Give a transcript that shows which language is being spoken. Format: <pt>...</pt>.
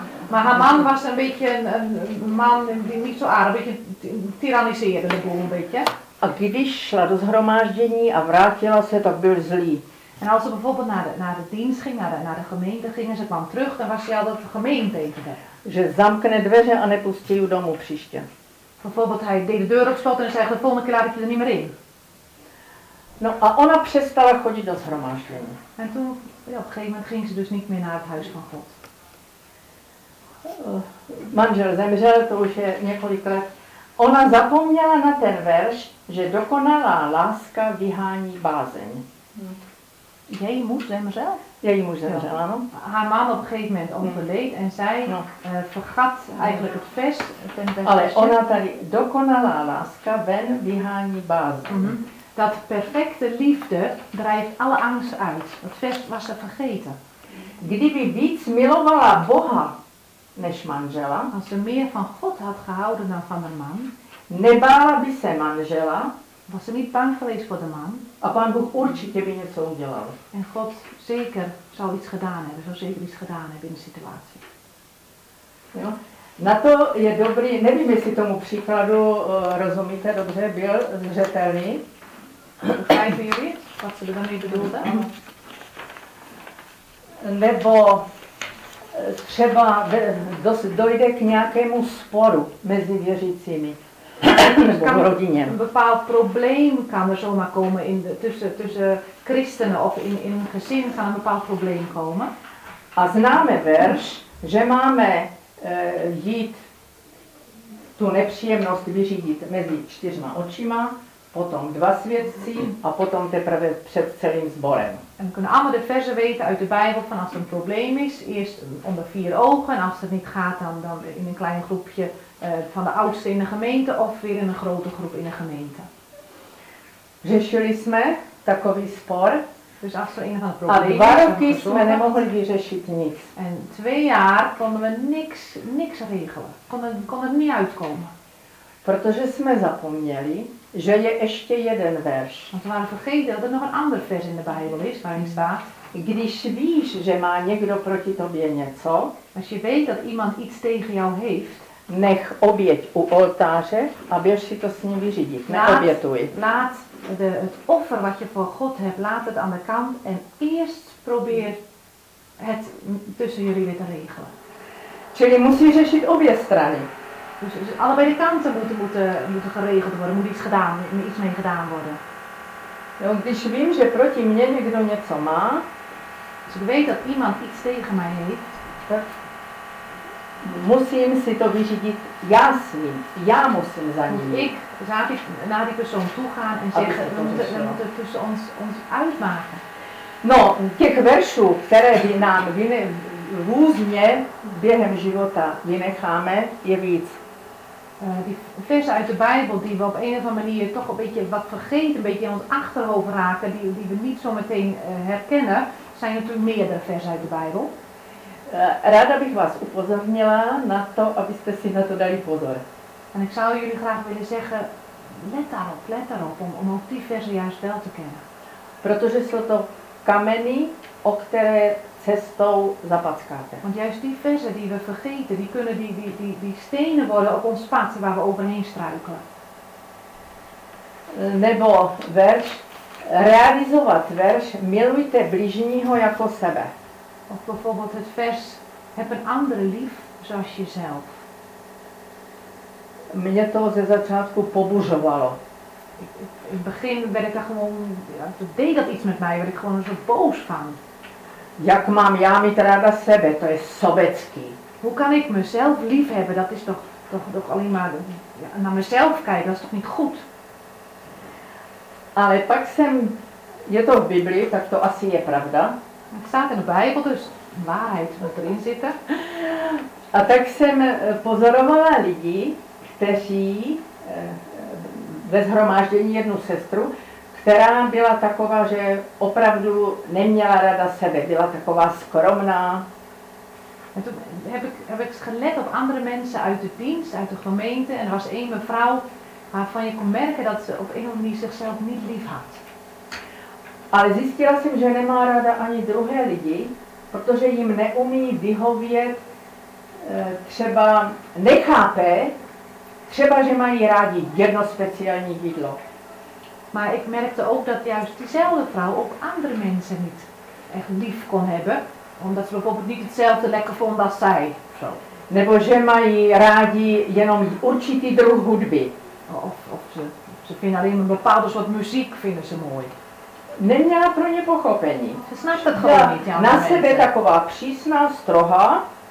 <nl>Maar haar man was een beetje een man die niet zo aardig, een beetje tyranniseerde de boel een beetje.</nl> <cs>A když šla do shromáždění a vrátila se, tak byl zlý.</cs> <nl>En als ze bijvoorbeeld naar de dienst ging, naar de gemeente ging, ze kwam terug, dan was ze al dat gemeente.</nl> <cs>Že zamkne dveře a nepustí ju domů příště.</cs> <nl>Bijvoorbeeld hij deed de deur op slot en zei, de volgende keer laat ik je er niet meer in.</nl> <cs>No a ona přestala chodit do shromáždění.</cs> <nl>En toen, ja, op een gegeven moment ging ze dus niet meer naar het huis van God.</nl> <cs>Manžel zemřel, to už je několik let. Ona zapomněla na ten verš, že dokonalá láska vyhání bázeň. Její muž zemřel? Její muž zemřel, ano.</cs> <nl>Haar man op een gegeven moment overleed en zij vergat eigenlijk het vers.</nl> <cs>Ale ona tady, dokonalá láska ven vyhání bázeň.</cs> <nl>Dat perfecte liefde drijft alle angst uit. Dat vers was ze vergeten.</nl> <cs>Kdyby víc milovala Boha, než manžela.</cs> <nl>Als ze meer van God had gehouden dan van haar man.</nl> <cs>Nebála by se manžela.</cs> <nl>Was ze niet bang geweest voor de man.</nl> <cs>A pán Boh určitě by něco udělal.</cs> <nl>En God zeker zal iets gedaan hebben. Zal zeker iets gedaan hebben in de situatie.</nl> <cs>Jo? Na to je dobrý, nevím jestli tomu příkladu rozumíte dobře, byl zřetelný.</cs> <nl>Vrijven jullie, wat ze daarmee bedoelde?</nl> <cs>Nebo třeba dojde k nějakému sporu mezi věřícími v rodině.</cs> <nl>Een bepaald probleem kan er zomaar komen in de, tussen christenen of in een gezin kan een bepaald probleem komen.</nl> <cs>A známe verš, že máme jít tu nepříjemnost vyřídit mezi čtyřma očima, potom dva svědci a potom teprve před celým sborem.</cs> <nl>En we kunnen allemaal de verzen weten uit de Bijbel van als er een probleem is, eerst onder vier ogen en als het niet gaat dan in een klein groepje van de oudsten in de gemeente of weer in een grote groep in de gemeente.</nl> <cs>Řešili jsme takový spor.</cs> <nl>Dus als er een van de problemen is, dan hebben we niet gezegd niets. En twee jaar konden we niks regelen, konden niet uitkomen.</nl> <cs>Protože jsme zapomněli, že je ještě jeden verš.</cs> <nl>Want we waren vergeten dat er nog een ander vers in de Bijbel is waarin staat.</nl> <cs>Když víš, že má někdo proti tobě něco.</cs> <nl>Als je weet dat iemand iets tegen jou heeft.</nl> <cs>Nech oběť u oltáře a běž si to s ním vyřídit. Neobětuj.</cs> <nl>Laat het offer wat je voor God hebt, laat het aan de kant en eerst probeer het tussen jullie weer te regelen.</nl> <cs>Čili musíš řešit obě strany.</cs> <nl>Dus allebei de kanten moeten geregeld worden, moet iets gedaan, iets mee gedaan worden.</nl> <cs>Jo, když vím, že proti mně někdo něco má,</cs> <nl>dus ik weet dat iemand iets tegen mij heeft,</nl> <cs>musím si to vyřídit já s ním, já musím za ním.</cs> <nl>Ik naar die persoon toe gaan en zeggen, we moeten tussen ons uitmaken.</nl> <cs>No, těch veršů, které by nám různě během života vynecháme, je víc.</cs> <nl>Die versen uit de Bijbel die we op een of andere manier toch een beetje wat vergeten, een beetje in ons achterhoofd raken, die we niet zo meteen herkennen, zijn natuurlijk meerdere versen uit de Bijbel.</nl> <cs>Ráda bych vás upozornila na to, abyste si na to dali pozor.</cs> <nl>En ik zou jullie graag willen zeggen, let daarop, om ook die versen juist wel te kennen.</nl> <cs>Protože jsou to kameny, o které cestou zapackáte.</cs> <nl>Want juist die verzen die we vergeten, die kunnen die stenen worden op ons pad waar we overheen struikelen.</nl> <cs>Nebo verš, realizovat verš, milujte bližního jako sebe.</cs> <nl>Of bijvoorbeeld het vers, heb een andere lief zoals jezelf.</nl> <cs>Mě to ze začátku pobuřovalo.</cs> <nl>In het begin werd ik er gewoon, ja, dat deed dat iets met mij, werd ik gewoon zo boos van.</nl> <cs>Jak mám já mít ráda sebe, to je sobecký.</cs> <nl>Hoe kan ik mezelf lief hebben, dat is toch alleen maar naar mezelf kijken, dat is toch niet goed.</nl> <cs>Ale pak jsem, je to v Biblii, tak to asi je pravda.</cs> <nl>Het staat in de Bijbel, dus waarheid moet erin zitten.</nl> <cs>A tak jsem pozorovala lidi, kteří ve zhromáždění jednu sestru, která byla taková, že opravdu neměla rada sebe, byla taková skromná.</cs> <nl>En toen heb ik gelet op andere mensen uit de dienst, uit de gemeente, en er was één mevrouw waarvan je kon merken dat ze op een of andere manier zichzelf niet lief had.</nl> <cs>Ale zjistila jsem, že nemá rada ani druhé lidi, protože jim neumí vyhovět, třeba nechápe, třeba že mají rádi jedno speciální jídlo.</cs> <nl>Maar ik merkte ook dat juist diezelfde vrouw ook andere mensen niet echt lief kon hebben, omdat ze bijvoorbeeld niet hetzelfde lekker vond als zij. Zo.</nl> <cs>Nebo že mají rádi jenom určitý druh hudby.</cs> <nl>Of ze vinden alleen een bepaalde soort muziek vinden ze mooi.</nl> <cs>Neměla pro ně pochopení.</cs> <nl>Ze snaž dat gewoon niet.</nl> <cs>Na sebe taková přísná, stroha.</cs>